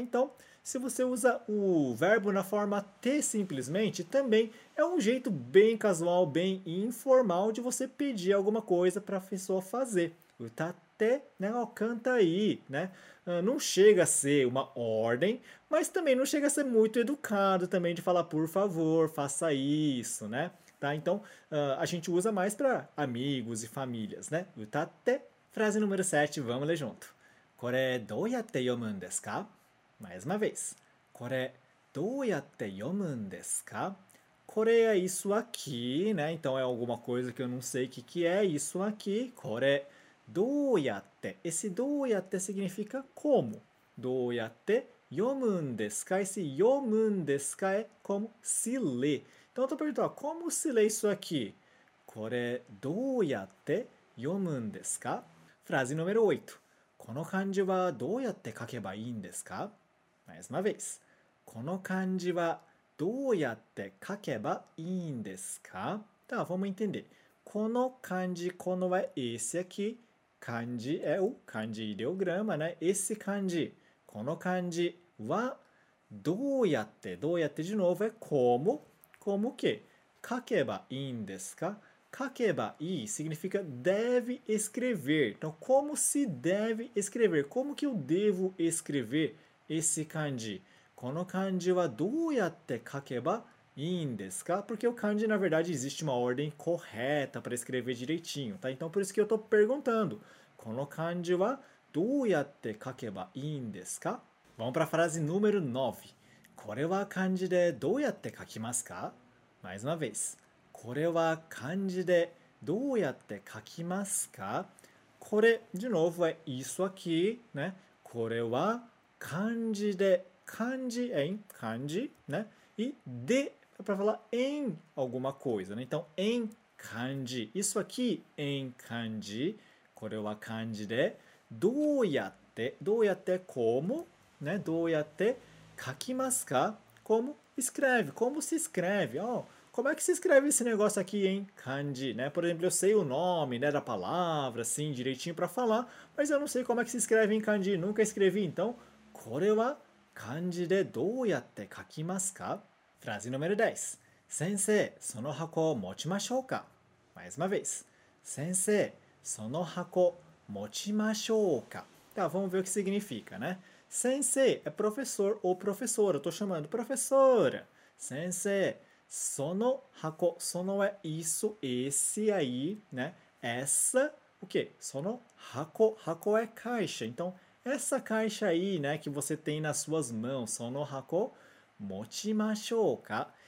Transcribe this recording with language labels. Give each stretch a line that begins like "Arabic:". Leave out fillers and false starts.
Portuguese: Então, se você usa o verbo na forma te simplesmente, também é um jeito bem casual, bem informal de você pedir alguma coisa para a pessoa fazer. Tá? Te, né? Ó, canta aí, né? Não chega a ser uma ordem, mas também não chega a ser muito educado também de falar por favor, faça isso, né? Tá? Então, a gente usa mais para amigos e famílias, né? Tá? Te, frase número 7, vamos ler junto.
Japanese: これどうやって読むんですか?
Portuguese: Mais uma vez.
Japanese: これどうやって読むんですか? これは
Portuguese: isso aqui, né? Então é alguma coisa que eu não sei o que é isso aqui.
Japanese: これどうやって?
Portuguese: Esse
Japanese: どうやって
Portuguese: significa como.
Japanese: どうやって読むんですか?
Portuguese: Esse
Japanese: 読むんですか
Portuguese: é como se lê. Então eu estou perguntando, como se lê isso aqui?
Japanese: これどうやって読むんですか?
Portuguese: Frase número 8.
Japanese: この漢字はどうやって書けばいいんですか?
Portuguese: Mais uma vez.
Japanese: この漢字はどうやって書けばいいんですか?
Portuguese: Tá, vamos entender.
Japanese: この漢字, この
Portuguese: é esse aqui. 漢字 é o 漢字 ideograma, né? Esse 漢字.
Japanese: この漢字はどうやって, どうやってで
Portuguese: novo é como, como que?
Japanese: 書けばいいんですか?Kakeba i
Portuguese: significa deve escrever. Então, como se deve escrever? Como que eu devo escrever esse kanji?
Japanese: Kono kanji wa dou yatte kakeba in desu ka?
Portuguese: Porque o kanji, na verdade, existe uma ordem correta para escrever direitinho. Tá? Então, por isso que eu estou perguntando.
Japanese: Kono kanji wa dou yatte kakeba in desu ka?
Portuguese: Vamos para a frase número 9.
Japanese: Kore wa kanji de dou yatte kakimasu ka?
Portuguese: Mais uma vez.
Japanese: これは漢字でどうやって書きますか? これ、
Portuguese: de novo, é isso aqui, né?
Japanese: これは漢字で、漢字
Portuguese: é em 漢字, né? E de é para falar em alguma coisa, né? Então, em 漢字, isso aqui, em 漢字,
Japanese: これは漢字で、どうやって
Portuguese: como, né?
Japanese: どうやって書きますか?
Portuguese: Como escreve, como se escreve, ó. Como é que se escreve esse negócio aqui, hein? Kanji, né? Por exemplo, eu sei o nome, né, da palavra, assim, direitinho para falar, mas eu não sei como é que se escreve em kanji. Nunca escrevi, então.
Japanese: Kore wa kanji de dou yatte kakimasu ka?
Portuguese: Frase número 10.
Japanese: Sensei, sono hako mochimashou ka?
Portuguese: Mais uma vez.
Japanese: Sensei, sono hako mochimashou ka?
Portuguese: Tá, vamos ver o que significa, né? Sensei é professor ou professora. Eu tô chamando professora. Sensei.
Japanese: Sono hako, sono
Portuguese: é isso, esse aí, né? Essa, o quê?
Japanese: Sono hako, hako
Portuguese: é caixa. Então, essa caixa aí, né, que você tem nas suas mãos,
Japanese: sono hako, mochimashou ka.